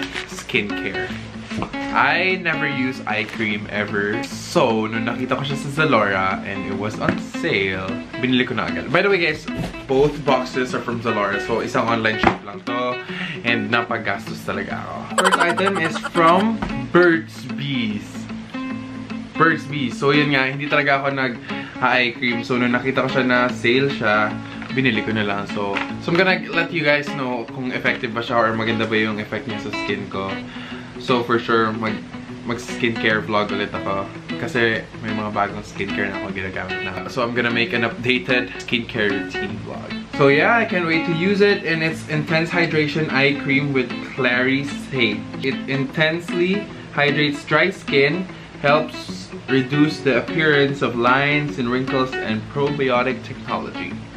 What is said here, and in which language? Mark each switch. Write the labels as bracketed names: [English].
[English] Skincare. I never use eye cream ever. [Filipino] So, nung nakita ko siya sa Zalora [English] and it was on sale, [Filipino] binili ko na agad. [English] By the way guys, both boxes are from Zalora. [Filipino] So, isang online shop lang to. [English] And [Filipino] napagastos talaga ako. [English] First item is from Burt's Bees. Burt's Bees. [Filipino] So, yun nga, hindi talaga ako nag-eye cream. So, nung nakita ko siya na sale siya, binili ko na lang. [English] So I'm gonna let you guys know [Filipino] kung effective ba siya or maganda ba yung effect niya sa skin ko. So [English] for sure, [Filipino] mag-skincare vlog ulit ako. Kasi may mga bagong skincare na ako ginagamit na. [English] So I'm gonna make an updated skincare routine vlog. So yeah, I can't wait to use it. And it's Intense Hydration Eye Cream with Clary Sage. It intensely hydrates dry skin, helps reduce the appearance of lines and wrinkles, and probiotic technology.